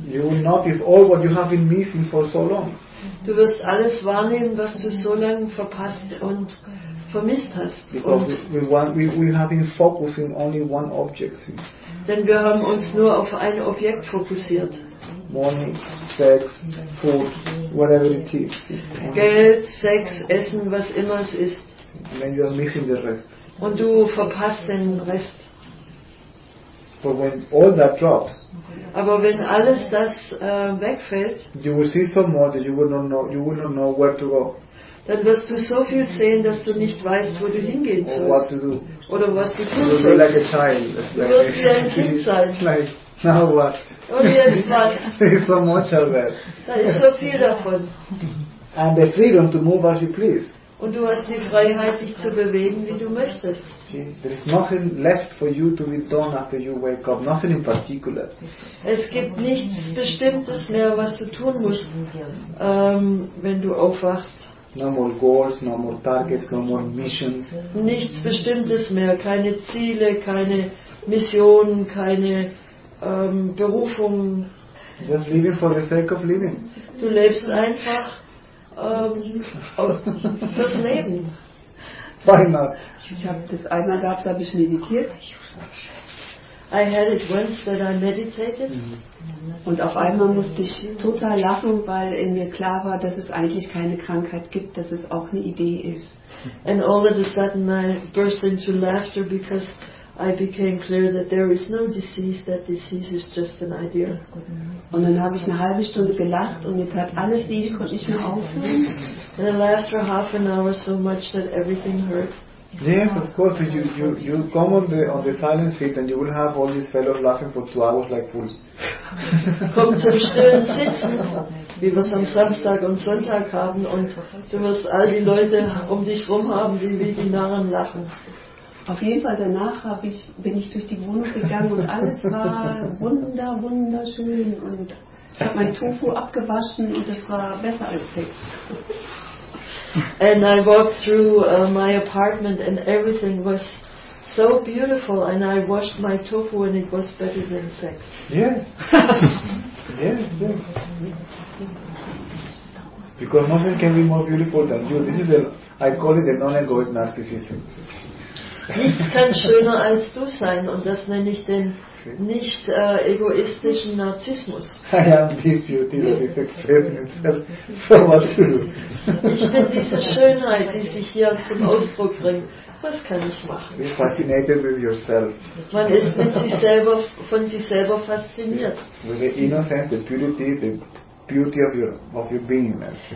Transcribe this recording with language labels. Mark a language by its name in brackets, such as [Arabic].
[English] You will notice all what you have been missing for so long. [German] Du wirst alles wahrnehmen, was du so lange verpasst und vermisst hast. [English] Because we have been focusing only one object. [German] Denn wir haben uns nur auf ein Objekt fokussiert. [English] Money, sex, food, whatever it is. [German] Geld, Sex, Essen, was immer es ist. [English] And then you are missing the rest. [German] Und du verpasst den Rest. [English] But when all that drops, [German] aber wenn alles das wegfällt, [English] you will see so much that you will not know where to go. [German] Dann wirst du so viel sehen, dass du nicht weißt, wo du hingehen sollst. [English] Or what to do. [German] Oder was du tun sollst. [English] You'll be like a child. [German] Du wirst wie ein Kind sein. [English] Like, now what? [German] Und jetzt was? [English] There is so much of that. [German] Da ist so viel davon. [English] And the freedom to move as you please. [German] Und du hast die Freiheit, dich zu bewegen, wie du möchtest. [English] See, there is nothing left for you to be done after you wake up. Nothing in particular. [German] Es gibt nichts Bestimmtes mehr, was du tun musst, wenn du aufwachst. [English] No more goals, no more targets, no more missions. [German] Nichts Bestimmtes mehr. Keine Ziele, keine Missionen, keine Berufung. [English] Just living for the sake of living. [German] Du lebst einfach fürs Leben. [English] Why not? [German] Habe ich meditiert. [English] I had it once that I meditated. Mm-hmm. [German] Und auf einmal musste ich total lachen, weil in mir klar war, dass es eigentlich keine Krankheit gibt, dass es auch eine Idee ist. [English] And all of a sudden I burst into laughter because I became clear that there is no disease, that disease is just an idea. [German] Und dann habe ich eine halbe Stunde gelacht und mir tat alles weh, ich konnte nicht mehr aufhören. [English] And I laughed for half an hour so much that everything hurt. Yes, of course. You come on the silent seat and you will have all these fellows laughing for 2 hours like fools. [German] Komm zum stillen Sitzen, wie wir es am Samstag und Sonntag haben, und du wirst all die Leute um dich rum haben, die wie die Narren lachen. Auf jeden Fall danach bin ich durch die Wohnung gegangen und alles war wunderschön und ich habe mein Tofu abgewaschen und das war besser als Sex. [English] And I walked through my apartment and everything was so beautiful and I washed my tofu and it was better than sex. Yes. Yes. Because nothing can be more beautiful than you. This is I call it the non-egoic narcissism. [German] Nichts kann schöner als du sein und das nenne ich den nicht egoistischen Narzissmus. [English] I am this beauty that is expressing itself. So what to do? [German] Ich bin diese Schönheit, die sich hier zum Ausdruck bringt. Was kann ich machen? [English] Be fascinated with yourself. [German] Man ist mit sich selber, von sich selber fasziniert. [English] With the innocence, the purity, the beauty of your beingness.